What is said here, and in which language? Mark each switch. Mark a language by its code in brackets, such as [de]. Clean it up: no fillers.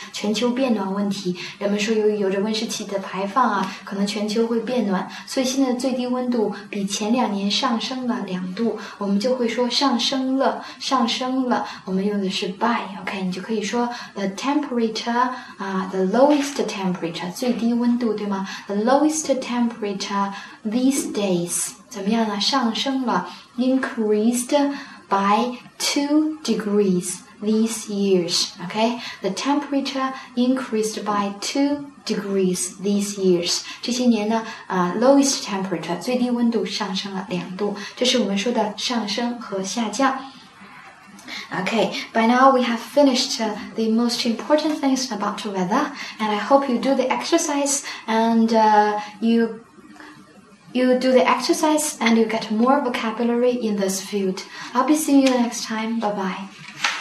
[zh] 全球变暖问题人们说由于有着温室气体的排放啊可能全球会变暖所以现在最低温度比前2年上升了2度我们就会说上升了上升了我们用的是 by OK 你就可以说 [en] the temperature、the lowest temperature [zh] 最低温度对吗 the lowest temperature these days怎么样呢上升了 [en] increased by 2 degrees these years. Okay, the temperature increased by 2 degrees these years. [zh] 这些年呢，lowest temperature 最低温度上升了两度，这是我们说的上升和下降。 [en] Okay, by now we have finished the most important things about weather, and I hope you do the exercise and you do the exercise and you get more vocabulary in this field. I'll be seeing you next time. Bye bye.